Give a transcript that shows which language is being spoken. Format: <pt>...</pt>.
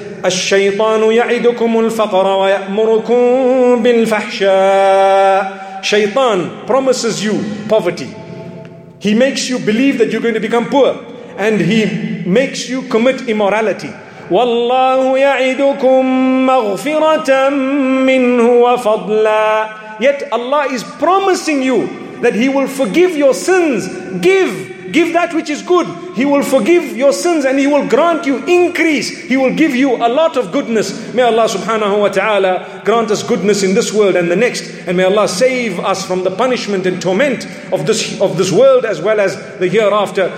<ar>الشيطان يعدكم الفقر ويأمركم بالفحشاء.</ar> <en>Shaitan promises you poverty. He makes you believe that you're going to become poor. And he makes you commit immorality.</en> <ar>والله يعدكم مغفرة منه وفضلا.</ar> <en>Yet Allah is promising you that he will forgive your sins. Give give that which is good. He will forgive your sins and He will grant you increase. He will give you a lot of goodness. May Allah subhanahu wa ta'ala grant us goodness in this world and the next. And may Allah save us from the punishment and torment of this world as well as the hereafter.</en>